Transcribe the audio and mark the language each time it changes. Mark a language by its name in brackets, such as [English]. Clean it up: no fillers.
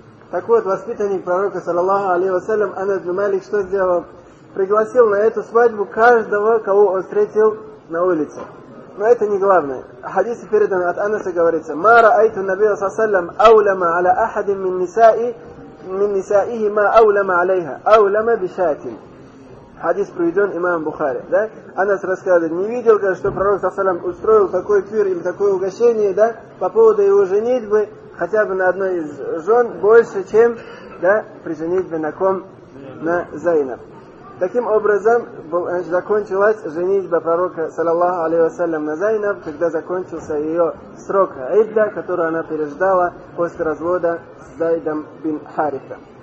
[Russian] Так вот, воспитанник пророка, саллаллаху алейхи ва саллям, Анас ибн Малик что сделал? Пригласил на эту свадьбу каждого, кого он встретил на улице. Но это не главное. Хадис передан от Анаса, говорится: [Arabic] ما رأيت النبي صلى الله عليه وسلم أولم على أحد من نسائه ما أولم عليها أولم بشاتم. [Russian] Хадис приведен имамом Бухари. Да? Анас рассказывает, не видел, что пророк салям устроил такой пир или такое угощение, да, по поводу его женитьбы хотя бы на одной из жен больше, чем да, при женитьбе на ком? На Зайнаб. Таким образом, закончилась женитьба пророка, саллаллаху алейхи вассалям, на Зайнаб, когда закончился ее срок Айдда, который она переждала после развода с Зайдом бин Харифа.